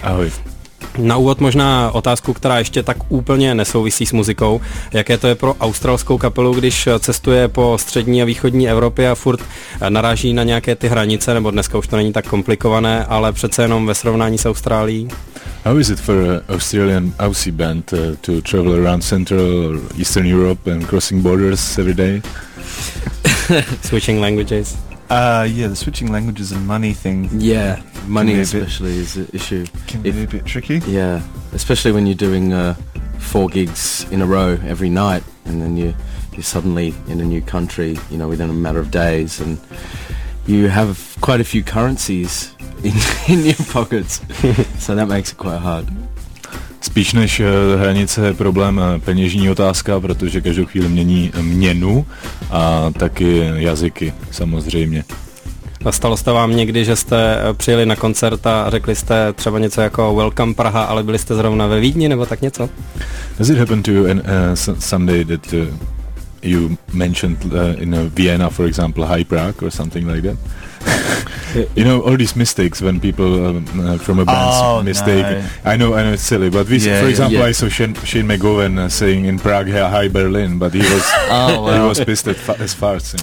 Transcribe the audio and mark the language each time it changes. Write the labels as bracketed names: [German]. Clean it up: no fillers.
[Czech] Ahoj. Na úvod možná otázku, která ještě tak úplně nesouvisí s muzikou. Jaké to je pro australskou kapelu, když cestuje po střední a východní Evropě a furt naráží na nějaké ty hranice, nebo dneska už to není tak komplikované, ale přece jenom ve srovnání s Austrálií? [English] How is it for an Australian Aussie band to travel around Central or Eastern Europe and crossing borders every day? Switching languages. Yeah, the switching languages and money thing. Yeah, money especially is an issue. Can be a bit tricky. Yeah, especially when you're doing 4 gigs in a row every night, and then you're suddenly in a new country, you know, within a matter of days, and you have quite a few currencies in your pockets, so that makes it quite hard. [Czech] Spíš než hranice je problém peněžní otázka, protože každou chvíli mění měnu a taky jazyky samozřejmě. Stalo se vám někdy, že jste přijeli na koncert a řekli jste třeba něco jako Welcome Praha, ale byli jste zrovna ve Vídni nebo tak něco? [English] Has it happened to you someday that you mentioned in Vienna, for example, Hi Prague or something like that? You know, all these mistakes when people from a band's mistake. No. I know it's silly, but for example. I saw Shane McGowan saying in Prague, Hi Berlin, but he was he was pissed at as far as...